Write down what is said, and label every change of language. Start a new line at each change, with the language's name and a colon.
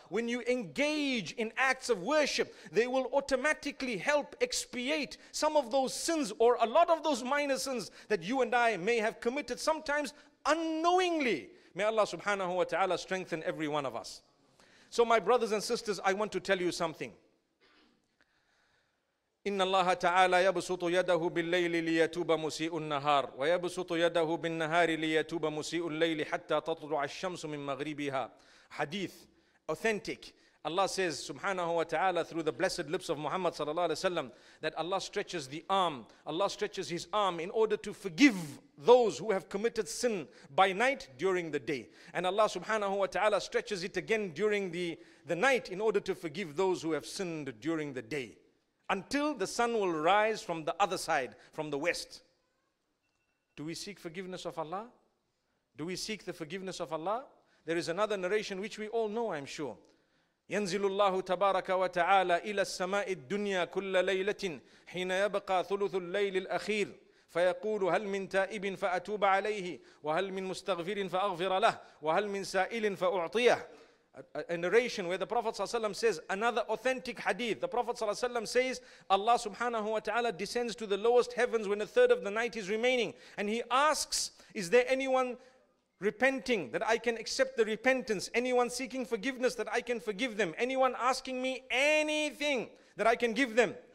English: When you engage in acts of worship, they will automatically help expiate some of those sins or a lot of those minor sins that you and I may have committed sometimes unknowingly. May Allah subhanahu wa ta'ala strengthen every one of us. So my brothers and sisters, I want to tell you something.
Arabic: إن الله تعالى يبسط يده بالليل ليتوب مسيء النهار ويبسط يده بالنهار ليتوب مسيء الليل حتى تطلع الشمس من مغربها.
English: Hadith, authentic. Allah says subhanahu wa ta'ala through the blessed lips of Muhammad sallallahu alayhi wa sallam that Allah stretches the arm, Allah stretches his arm in order to forgive those who have committed sin by night during the day. And Allah subhanahu wa ta'ala stretches it again during the night in order to forgive those who have sinned during the day. Until the sun will rise from the other side, from the west. Do we seek forgiveness of Allah? Do we seek the forgiveness of Allah? There is another narration which we all know, I'm sure.
Arabic: ينزل الله تبارك وتعالى إلى السماء الدنيا كل ليلة حين يبقى ثلث الليل الأخير فيقول هل من تائب فأتوب عليه وهل من مستغفر فأغفر له وهل من سائل فأعطيه.
English: A narration where the Prophet ﷺ says, another authentic hadith, the Prophet ﷺ says, Allah subhanahu wa ta'ala descends to the lowest heavens when a third of the night is remaining. And he asks, is there anyone repenting that I can accept the repentance? Anyone seeking forgiveness that I can forgive them? Anyone asking me anything that I can give them?